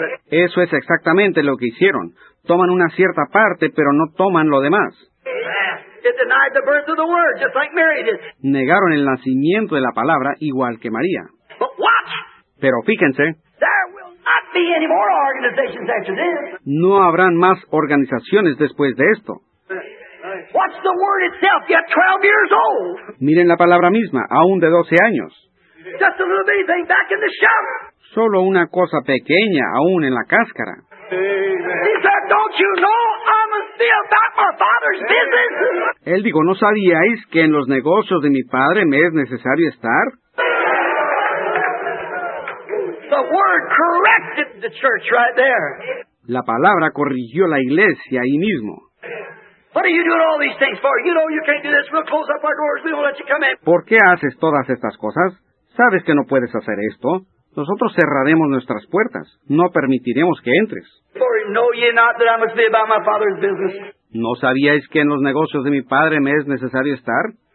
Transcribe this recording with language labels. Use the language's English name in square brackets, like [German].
[Spanish] Eso es exactamente lo que hicieron. Toman una cierta parte, pero no toman lo demás. [English] It denied the birth of the word, just like Mary did. [Spanish] Negaron el nacimiento de la palabra igual que María. [English] But watch. [Spanish] Pero fíjense. [English] There will not be any more organizations after this. [Spanish] No habrán más organizaciones después de esto. [English] Watch the word itself, yet 12 years old. [Spanish] Miren la palabra misma, aún de 12 años. [English] Just a little bitty thing back in the shell. [Spanish] Solo una cosa pequeña, aún en la cáscara. [English] He said, don't you know I'm still about my father's business? [Spanish] Él dijo, ¿no sabíais que en los negocios de mi padre me es necesario estar? [English] The word corrected the church right there. [Spanish] La palabra corrigió la iglesia ahí mismo. [English] What are you doing all these things for? You know you can't do this. We'll close up our doors. We won't let you come in. [Spanish] ¿Por qué haces todas estas cosas? ¿Sabes que no puedes hacer esto? Nosotros cerraremos nuestras puertas. No permitiremos que entres. [English] For know ye not that I must be about my father's business. [Spanish] ¿No sabíais que en los negocios de mi padre me es necesario estar?